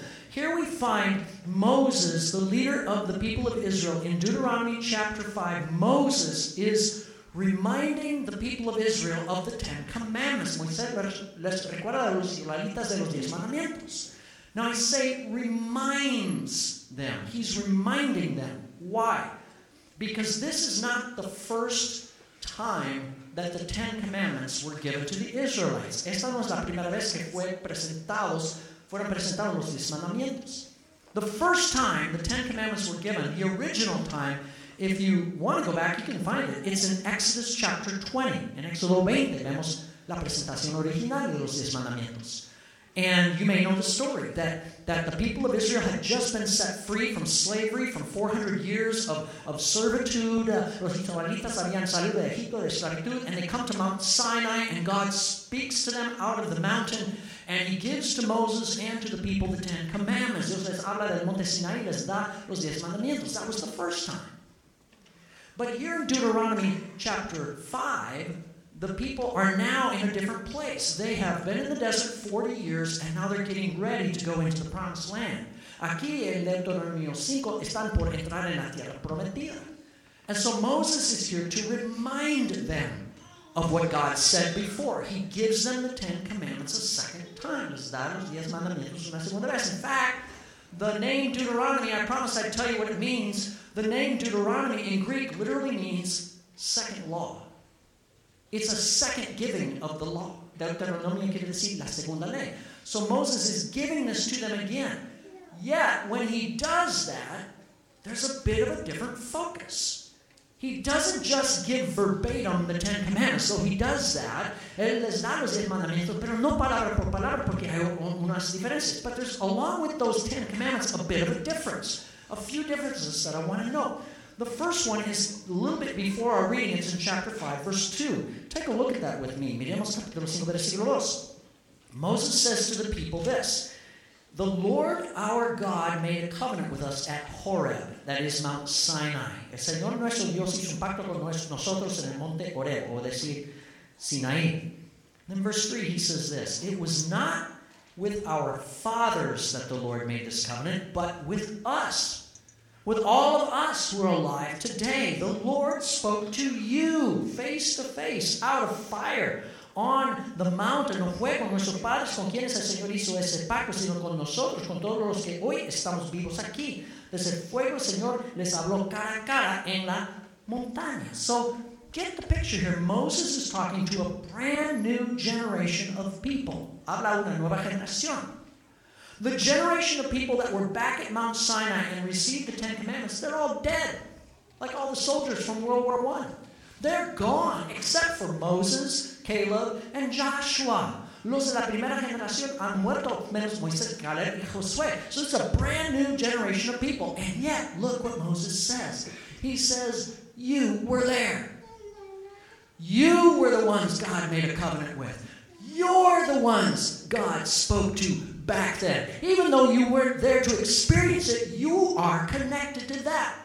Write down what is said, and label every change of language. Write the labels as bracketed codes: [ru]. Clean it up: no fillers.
[en] Here we find Moses, the leader of the people of Israel. In Deuteronomy chapter 5, Moses is reminding the people of Israel of the Ten Commandments. [es] Moisés les recuerda a los israelitas de los diez mandamientos. [en] Now I say reminds them. He's reminding them. Why? Because this is not the first time that the Ten Commandments were given to the Israelites. [es] Esta no es la primera vez que fueron presentados los diez mandamientos. [en] The first time the Ten Commandments were given, the original time, if you want to go back, you can find it. It's in Exodus chapter 20. [es] In Exodo 20 vemos la presentación original de los diez mandamientos. [en] And you may know the story that the people of Israel had just been set free from slavery, from 400 years of servitude. [es] Los israelitas habían salido de Egipto de esclavitud, [en] and they come to Mount Sinai, and God speaks to them out of the mountain, and He gives to Moses and to the people the Ten Commandments. [es] Dios les habla del Monte Sinai y les da los diez mandamientos. [en] That was the first time. But here in Deuteronomy chapter 5, the people are now in a different place. They have been in the desert 40 years, and now they're getting ready to go into the promised land. [es] Aquí en Deuteronomio 5 están por entrar en la tierra prometida. [en] And so Moses is here to remind them of what God said before. He gives them the Ten Commandments a second time. [es] Les da los diez mandamientos una segunda vez. [en] In fact, the name Deuteronomy, I promised I'd tell you what it means. The name Deuteronomy in Greek literally means second law. It's a second giving of the law. [es] Deuteronomio quiere decir la segunda ley. [en] So Moses is giving this to them again. Yet, when he does that, there's a bit of a different focus. He doesn't just give verbatim the Ten Commandments. So he does that. [es] Él les da los diez mandamientos, pero no palabra por palabra, porque hay unas diferencias. [en] But there's, along with those Ten Commandments, a bit of a difference. A few differences that I want to know. The first one is a little bit before our reading. It's in chapter 5, verse 2. Take a look at that with me. [es] Miremos capítulo 5, versículo 2. [en] Moses says to the people this, "The Lord our God made a covenant with us at Horeb," that is Mount Sinai. [es] El Señor nuestro Dios hizo un pacto con nosotros en el monte Horeb, o decir, Sinai. [en] Then verse 3, he says this, "It was not with our fathers that the Lord made this covenant, but with us. With all of us who are alive today, the Lord spoke to you face to face out of fire on the mountain of fuego. [es] Nuestros padres con quienes el Señor hizo ese pacto, sino con nosotros, con todos los que hoy estamos vivos aquí. Desde el fuego el Señor les habló cara a cara en la montaña." [en] So get the picture here. Moses is talking to a brand new generation of people. [es] Habla una nueva generación. [en] The generation of people that were back at Mount Sinai and received the Ten Commandments, they're all dead, like all the soldiers from World War I. They're gone, except for Moses, Caleb, and Joshua. [es] Los de la primera generación han muerto, menos Moisés, Caleb, y Josué. [en] So it's a brand new generation of people. And yet, look what Moses says. He says, you were there. You were the ones God made a covenant with. You're the ones God spoke to back then. Even though you weren't there to experience it, you are connected to that.